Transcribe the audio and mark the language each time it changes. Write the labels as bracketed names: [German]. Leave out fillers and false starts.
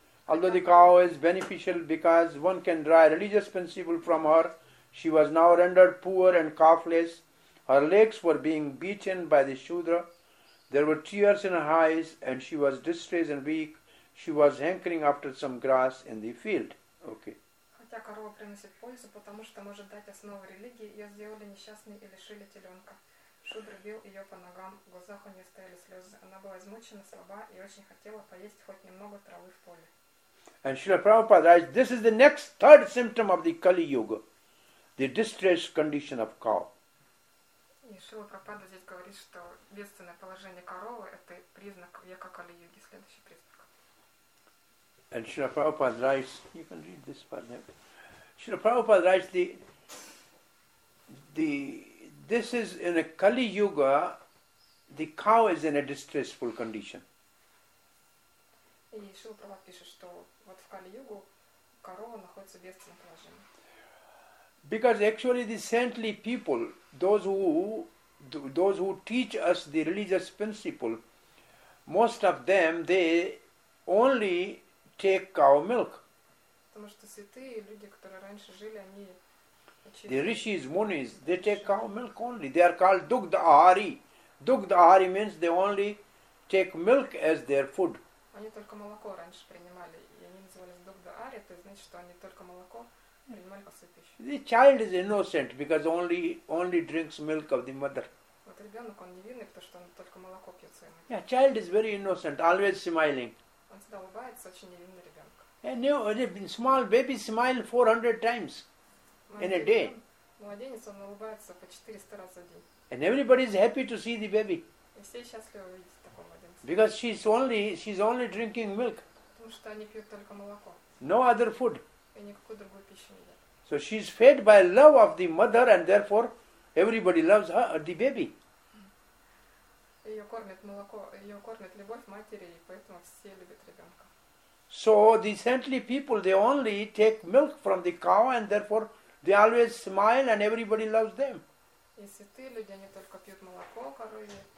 [English] Although the cow is beneficial because one can draw a religious principle from her, she was now rendered poor and calfless. Her legs were being beaten by the Shudra. There were tears in her eyes and she was distressed and weak. She was hankering after some grass in the field. Okay. [Russian] Хотя корова приносит пользу, потому что может дать основу религии, ее сделали несчастной и лишили теленка. Шудра бил ее по ногам, в глазах у нее стояли слезы. Она была измучена, слаба и очень хотела поесть хоть немного травы в поле. [English] And Srila Prabhupada writes, this is the next third symptom of the Kali Yuga, the distressed condition of cow. [Russian] Srila Prabhupada здесь говорит, что бедственное положение коровы это признак века Кали Юги, следующий признак. [English] And Srila Prabhupada writes, you can read this part. Srila Prabhupada writes, this is in a Kali Yuga, the cow is in a distressful condition. [Russian] И Шрила Прабхупада пишет, что вот в Кали-Югу корова находится в бедственном положении. [English] Because actually the saintly people, those who teach us the religious principle, most of them, they only take cow milk. The rishis, munis, they take cow milk only. They are called dugdhari. Dugdhari means they only take milk as their food. [Russian] Они только молоко раньше принимали, и они назывались дугдхари, то есть значит, что они только молоко принимали как свою пищу. [English] The child is innocent because only drinks milk of the mother. [Russian] Вот ребенок, он невинный, потому что он только молоко пьет своей матери. [English] Yeah, child is very innocent, always smiling. [Russian] Он всегда улыбается, очень невинный ребенок. [English] And small baby smile 400 times in a day. [Russian] Младенец, он улыбается по 400 раз за день. [English] And everybody is happy to see the baby. [Russian] И все счастливы увидеть. [English] Because she's only drinking milk. [Russian] Потому что они пьют только молоко. [English] No other food. [Russian] И никакой другой пищи не едят. [English] So she's fed by love of the mother, and therefore everybody loves her, the baby. [Russian] Ее кормят молоко, ее кормят любовь матери, и поэтому все любят ребенка. [English] So the saintly people, they only take milk from the cow, and therefore they always smile, and everybody loves them. [Russian] И святые люди, они только пьют молоко коровье.